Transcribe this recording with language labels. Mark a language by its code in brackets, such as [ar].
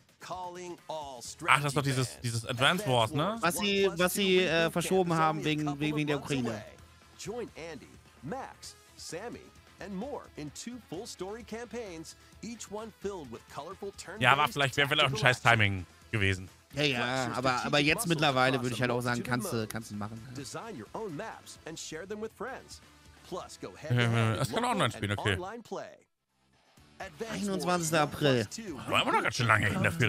[de] Ach, das ist doch dieses Advance Wars, ne? Was sie verschoben haben wegen der Ukraine. [en] Join Andy, Max, Sammy and more in two full story campaigns, each one filled with colorful turn. [de] Ja, war vielleicht wäre vielleicht auch ein scheiß Timing gewesen. Ja, ja, aber jetzt mittlerweile würde ich halt auch sagen, kannst du machen. [en] Ja. Design your own maps and share them with friends. Plus go ahead. [de] Es kann auch online spielen, okay. 21. April. War immer noch ganz schön lange hin dafür,